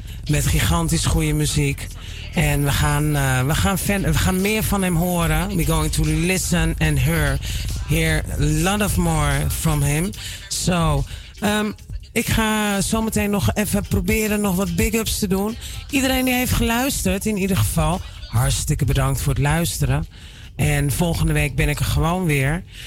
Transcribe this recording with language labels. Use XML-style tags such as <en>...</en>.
<nl>Met gigantisch goede muziek. En we gaan meer van hem horen.</nl> <en>We're going to listen and hear a lot of more from him.</en> <nl>So, ik ga zometeen nog even proberen nog wat big ups te doen. Iedereen die heeft geluisterd, in ieder geval, hartstikke bedankt voor het luisteren. En volgende week ben ik er gewoon weer.</nl>